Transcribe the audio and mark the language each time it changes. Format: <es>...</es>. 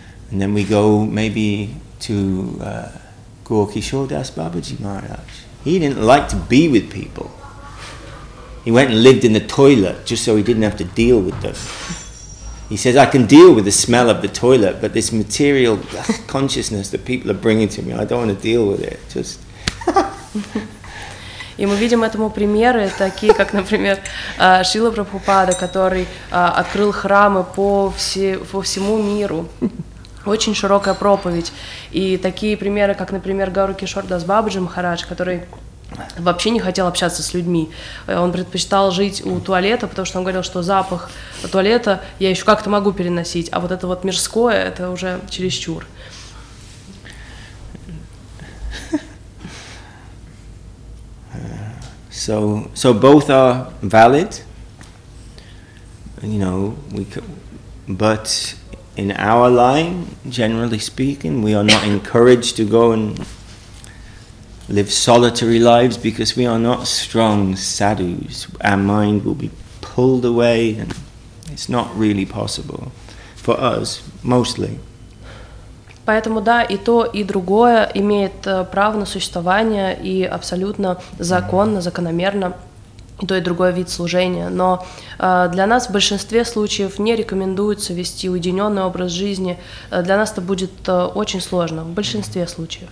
<en>And then we go maybe to Gaurakishordas Babaji Maharaj. He didn't like to be with people. He went and lived in the toilet just so he didn't have to deal with them. He says, I can deal with the smell of the toilet, but this material consciousness that people are bringing to me, I don't want to deal with it. Just.</en> <ru>И мы видим этому примеры, такие как, например, Шрила Прабхупада, который открыл храмы по всему миру. Очень широкая проповедь. И такие примеры, как, например, Гаурикишор Дас Бабаджи Махарадж, который... вообще не хотел общаться с людьми. Он предпочитал жить у туалета, потому что он говорил, что запах туалета я еще как-то могу переносить, а вот это вот мирское, это уже чересчур.</ru> <en>So both are valid, you know, we could, but in our line, generally speaking, we are not encouraged to go and live solitary lives because we are not strong sadhus. Our mind will be pulled away and it's not really possible for us, mostly.</en> <ru>Поэтому да, и то, и другое имеет право на существование и абсолютно законно, закономерно, и то, и другое вид служения. Но для нас в большинстве случаев не рекомендуется вести уединенный образ жизни. Для нас это будет очень сложно, в большинстве случаев.</ru>